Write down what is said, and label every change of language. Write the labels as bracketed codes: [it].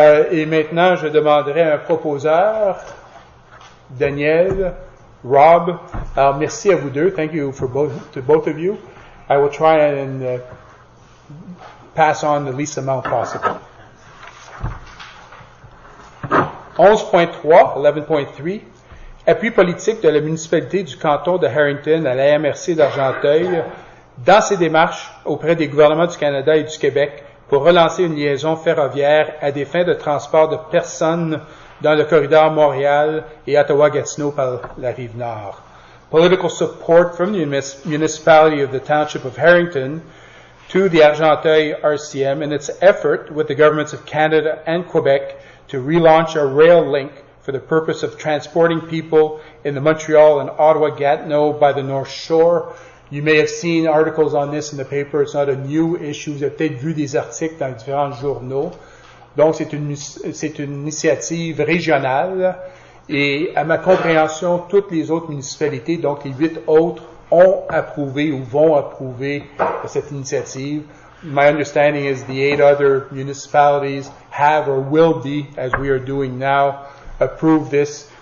[fr] Et maintenant, je demanderai un proposeur, Daniel, Rob. Alors, merci à vous deux. [en] Thank you for both of you. I will try and pass on the least amount possible. [fr] 11.3, appui politique de la municipalité du canton de Harrington à la MRC d'Argenteuil dans ses démarches auprès des gouvernements du Canada et du Québec pour relancer une liaison ferroviaire à des fins de transport de personnes dans le corridor Montréal et Ottawa-Gatineau par la rive nord. [en] Political support from the municipality of the township of Harrington to the Argenteuil RCM and its effort with the governments of Canada and Quebec to relaunch a rail link for the purpose of transporting people in the Montreal and Ottawa-Gatineau by the North Shore. You may have seen articles on this in the paper. It's not a new issue. [fr] Vous avez peut-être vu des articles dans différents journaux. Donc, c'est une initiative régionale. Et à ma compréhension, toutes les autres municipalités, donc les 8 autres, ont approuvé ou vont approuver cette initiative. [en] My understanding is the 8 other municipalities have or will be, as we are doing now, approve this.